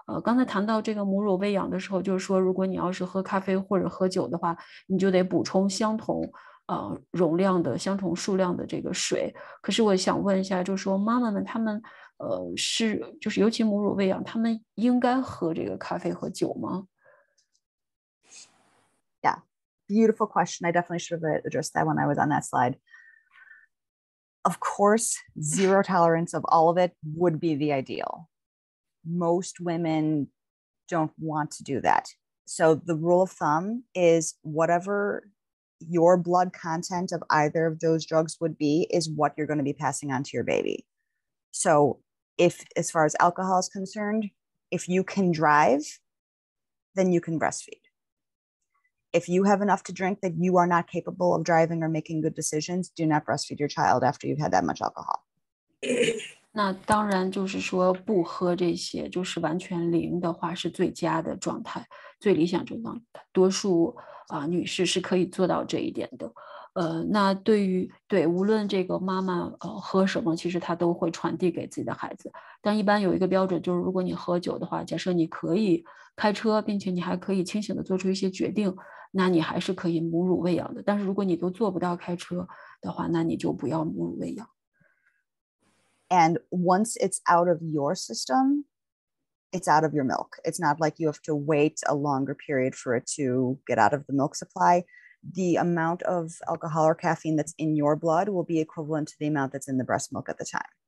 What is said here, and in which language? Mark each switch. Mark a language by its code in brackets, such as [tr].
[zh] 刚才谈到这个母乳喂养的时候，就是说，如果你要是喝咖啡或者喝酒的话，你就得补充相同容量的、相同数量的这个水。可是我想问一下，就是说妈妈们他们。是就是尤其母乳喂养，他们应该喝这个咖啡和酒吗？ [en] Yeah, beautiful question. I definitely should have addressed that when I was on that slide. Of course, zero tolerance of all of it would be the ideal. Most women don't want to do that. So the rule of thumb is whatever your blood content of either of those drugs would be is what you're going to be passing on to your baby. So,If, as far as alcohol is concerned, if you can drive, then you can breastfeed. If you have enough to drink that you are not capable of driving or making good decisions, do not breastfeed your child after you've had that much alcohol. [zh] 那当然就是说不喝这些，就是完全零的话是最佳的状态，最理想状态。多数女士是可以做到这一点的。那对于对无论这个妈妈喝什么，其实她都会传递给自己的孩子。但一般有一个标准，就是如果你喝酒的话，假设你可以开车，并且你还可以清醒的做出一些决定，那你还是可以母乳喂养的。但是如果你都做不到开车的话，那你就不要母乳喂养。 [en] And once it's out of your system, it's out of your milk. It's not like you have to wait a longer period for it to get out of the milk supply. The amount of alcohol or caffeine that's in your blood will be equivalent to the amount that's in the breast milk at the time.